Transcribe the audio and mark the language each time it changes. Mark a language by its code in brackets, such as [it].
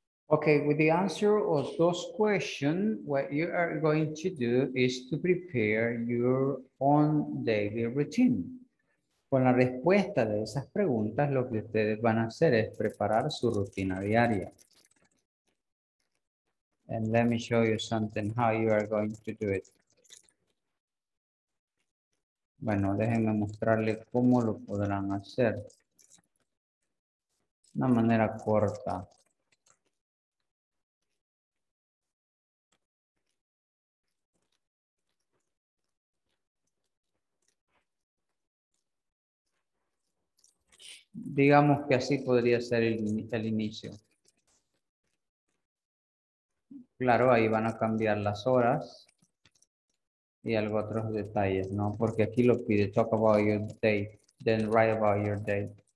[en] Okay, with the answer of those questions, what you are going to do is to prepare your own daily routine. [es] Con la respuesta de esas preguntas, lo que ustedes van a hacer es preparar su rutina diaria. [en] And let me show you something, how you are going to do it. [es] Bueno, déjenme mostrarles cómo lo podrán hacer. De una manera corta. Digamos que así podría ser el inicio. Claro, ahí van a cambiar las horas y algo otros detalles, ¿no? Porque aquí lo pide, [en] talk about your day, then write about your day.